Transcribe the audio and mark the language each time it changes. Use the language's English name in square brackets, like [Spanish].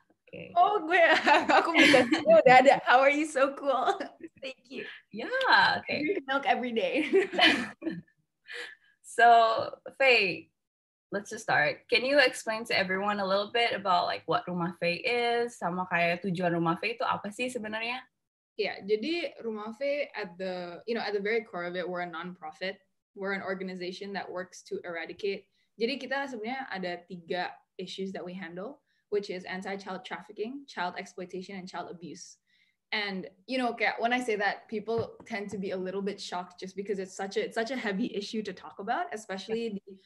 [English] Okay. Oh, [Indonesian] gue, aku bisa tahu, [English] Dada. How are you so cool? Thank you. Yeah, okay. I drink milk every day. So, Faye, let's just start. Can you explain to everyone a little bit about like what Rumah Faye is? [Indonesian] Sama kayak tujuan Rumah Faye itu apa sih sebenarnya? [English] Yeah, jadi Rumah Faye at the very core of it, we're a non-profit. We're an organization that works to eradicate. [Indonesian] Jadi kita sebenarnya ada tiga [English] issues that we handle, which is anti-child trafficking, child exploitation, and child abuse. And, you know, when I say that, people tend to be a little bit shocked just because it's such a heavy issue to talk about, especially yeah.